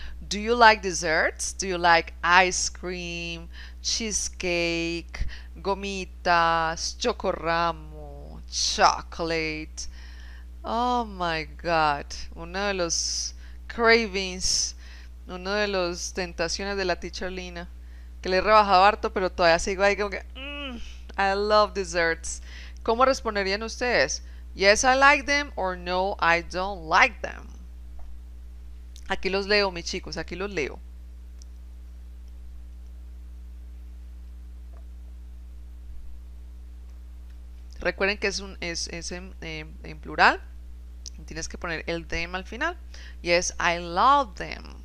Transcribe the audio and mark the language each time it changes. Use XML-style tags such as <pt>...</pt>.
<en>Do you like desserts? Do you like ice cream, cheesecake, gomitas, chocorramo, chocolate? Oh my God.</en> <es>Uno de los cravings, uno de los tentaciones de la teacher Lina, que le he rebajado harto, pero todavía sigo ahí como que,</es> <en>I love desserts.</en> <es>¿Cómo responderían ustedes?</es> <en>Yes, I like them or no, I don't like them.</en> <es>Aquí los leo, mis chicos, aquí los leo. Recuerden que es en plural. Tienes que poner el them al final.</es> <en>Yes, I love them.</en>